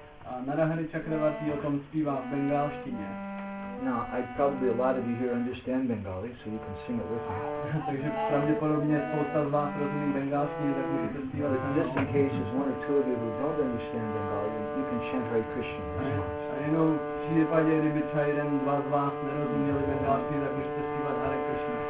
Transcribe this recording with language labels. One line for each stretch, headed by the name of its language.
Czech: A Narahari Chakravarti o tom zpívá v bengalštině.
English: Now, I probably a lot of you here understand Bengali, so you can sing it with me.
Czech: Takže pravděpodobně spousta z vás rozumí bengalsky, tak můžete zpívat.
English: Just in case there's one or two of you who don't understand Bengali, you can chant Hare Krishna.
Czech: A jenom v případě, kdyby třeba jeden z vás nerozuměli bengalsky, tak můžete zpívat Hare Krishna.